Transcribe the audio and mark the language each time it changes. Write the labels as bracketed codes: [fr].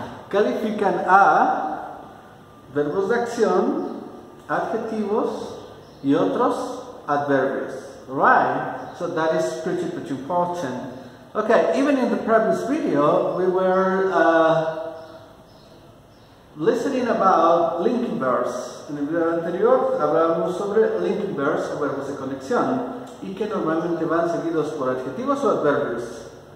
[es] Califican a verbos de acción, adjetivos y otros adverbios. [en] Right? So that is pretty, pretty important. Okay, even in the previous video, we were listening about linking verbs. [es] En el video anterior hablábamos sobre linking verbs o verbos de conexión y que normalmente van seguidos por adjetivos o adverbios.